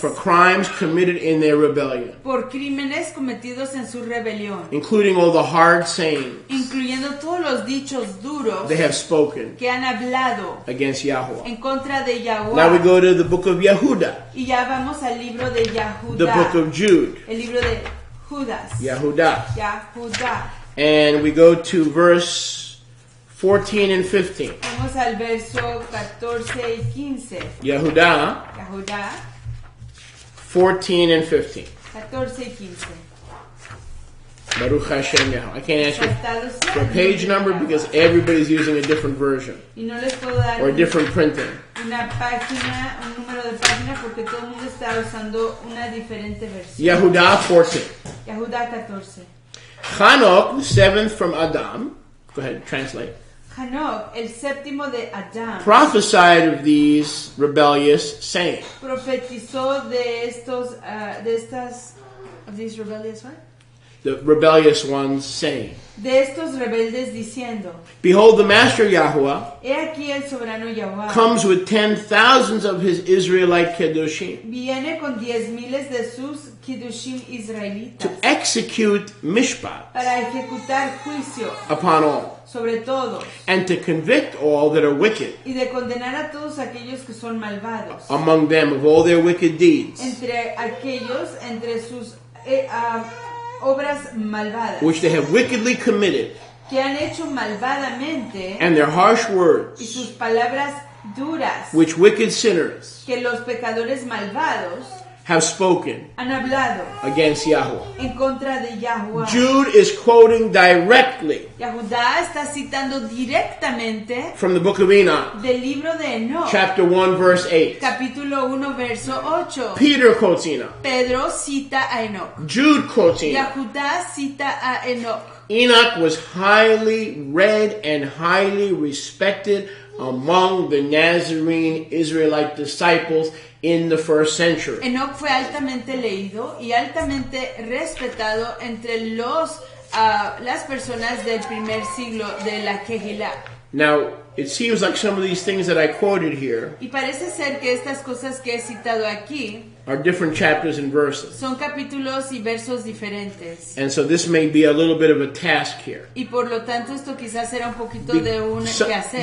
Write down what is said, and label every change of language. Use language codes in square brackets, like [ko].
[en] For crimes committed in their rebellion. [es] Por crímenes cometidos en su rebelión. [en] Including all the hard sayings. [es] Incluyendo todos los dichos duros. [en] They have spoken. [es] Que han hablado. [en] Against Yahuwah. [es] En contra de Yahuwah. [en] Now we go to the book of Yehuda. [es] Y ya vamos al libro de Yehuda. [en] The book of Jude. [es] El libro de Judas. [en] Yehuda. [es] Yehuda. [en] And we go to verse 14 and 15. [es] Vamos al verso 14 y 15. [en] Yehuda. [es] Yehuda. [en] 14 and 15. [es] 14 y 15. [en] Baruch Hashem Yahweh. I can't ask you for a page number because everybody's using a different version. [es] Y no les puedo dar [en] or a different printing. [es] Una página, un número de página porque todo el mundo está usando una diferente versión. [en] Yehuda 14. [es] Yehuda 14. [en] Hanok, the seventh from Adam. Go ahead, translate. [es] Hanok, el séptimo de Adam, [en] prophesied of these rebellious saints. [es] Profetizó de estos, de estas, [en] of these rebellious ones? The rebellious ones saying. [es] De estos rebeldes diciendo. [en] Behold, the master Yahuwah. [es] He aquí el soberano Yahuwah. [en] Comes with 10,000s of his Israelite kedushim. [es] Viene con 10,000 de sus kedushim israelitas. [en] To execute mishpat. [es] Para ejecutar juicio. [en] Upon all. [es] Sobre todos. [en] And to convict all that are wicked. [es] Y de condenar a todos aquellos que son malvados. [en] Among them of all their wicked deeds. [es] Entre aquellos, entre sus obras malvadas. [en] Which they have wickedly committed. [es] Que han hecho malvadamente. [en] And their harsh words. [es] Y sus palabras duras. [en] Which wicked sinners. [es] Que los pecadores malvados. [en] Have spoken. [es] Han hablado. [en] Against Yahuwah. [es] En contra de Yahuwah. [en] Jude is quoting directly. [es] Yehuda está citando directamente. [en] From the book of Enoch. [es] Del libro de Enoch. [en] Chapter 1 verse 8. [es] Capítulo 1 verso 8. [en] Peter quotes Enoch. [es] Pedro cita a Enoch. [en] Jude quotes Enoch. [es] Yehuda cita a Enoch. [en] Enoch was highly read and highly respected among the Nazarene Israelite disciples in the first century. [es] Enoch fue altamente leído y altamente respetado entre las personas del primer siglo de la Kehilah. [en] Now, It seems like some of these things that I quoted here. [es] Y parece ser que estas cosas que he citado aquí [en] are different chapters and verses. [es] Son capítulos y versos diferentes. [en] And so this may be a little bit of a task here. [es] Y por lo tanto esto quizás era un poquito de un quehacer.